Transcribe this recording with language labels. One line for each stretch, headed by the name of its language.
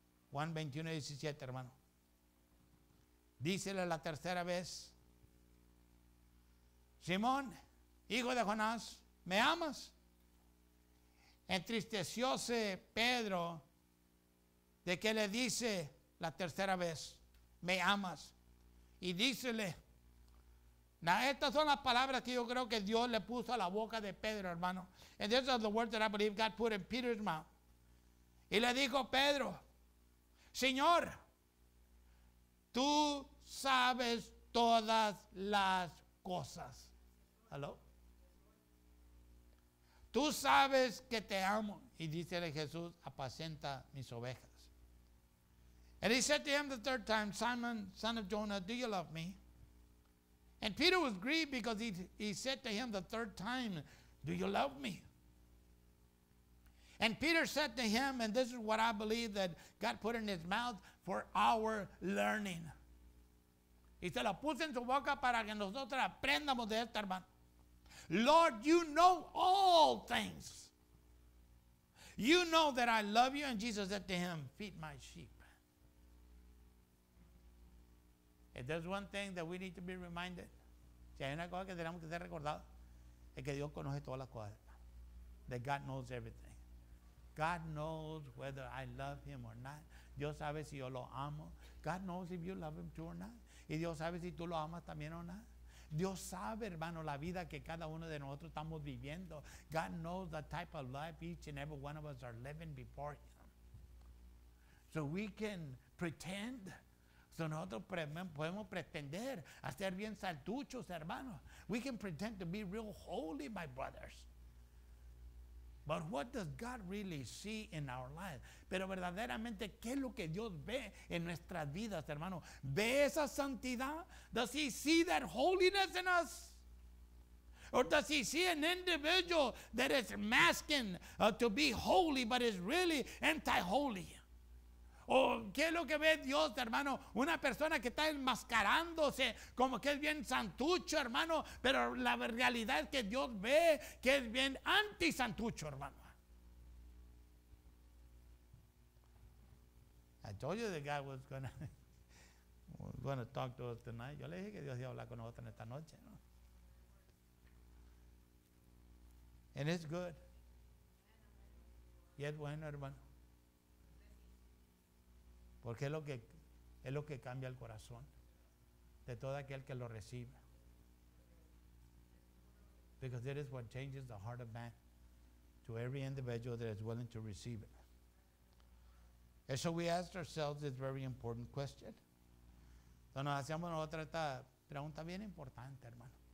Spanish: John 21:17, hermano. Dícele la tercera vez, Simón, hijo de Jonás, ¿me amas? Entristecióse Pedro de que le dice la tercera vez, ¿me amas? Y dícele, estas son las palabras que yo creo que Dios le puso a la boca de Pedro, hermano.
English: And these are the words that I believe God put in Peter's mouth.
Spanish: Y le dijo Pedro, Señor, tú sabes todas las cosas. ¿Aló? Tú sabes que te amo. Y dícele Jesús, apacienta mis ovejas.
English: And he said to him the third time, Simon, son of Jonah, do you love me? And Peter was grieved because he said to him the third time, do you love me? And Peter said to him, and this is what I believe that God put in his mouth for our learning.
Spanish: Y se lo puse en su boca para que nosotros aprendamos de esta hermana.
English: Lord, you know all things. You know that I love you. And Jesus said to him, feed my sheep. If there's one thing that we need to be reminded,
Spanish: si hay una cosa que tenemos que ser recordado, es que Dios conoce todas las cosas.
English: That God knows everything. God knows whether I love him or not.
Spanish: Dios sabe si yo lo amo.
English: God knows if you love him too or not.
Spanish: Y Dios sabe si tú lo amas también o no. Dios sabe, hermano, la vida que cada uno de nosotros estamos viviendo.
English: God knows the type of life each and every one of us are living before him. So we can pretend.
Spanish: So nosotros podemos pretender hacer bien saltuchos, hermano.
English: We can pretend to be real holy, my brothers. But what does God really see in our life?
Spanish: Pero verdaderamente, ¿qué es lo que Dios ve en nuestras vidas, hermano? ¿Ve esa santidad?
English: Does he see that holiness in us? Or does he see an individual that is masking to be holy but is really anti-holy?
Spanish: ¿O qué es lo que ve Dios, hermano? Una persona que está enmascarándose como que es bien santucho, hermano, pero la realidad es que Dios ve que es bien anti-santucho, hermano.
English: I told you that God was going to talk to us tonight.
Spanish: Yo le dije que Dios iba a hablar con nosotros en esta noche, ¿no?
English: And it's good.
Spanish: Y es bueno, hermano. Porque es lo que cambia el corazón de todo aquel que lo recibe.
English: Because it is what changes the heart of man to every individual that is willing to receive it. And so we asked ourselves this very important question.
Spanish: Entonces nos hacíamos otra esta pregunta bien importante, hermano.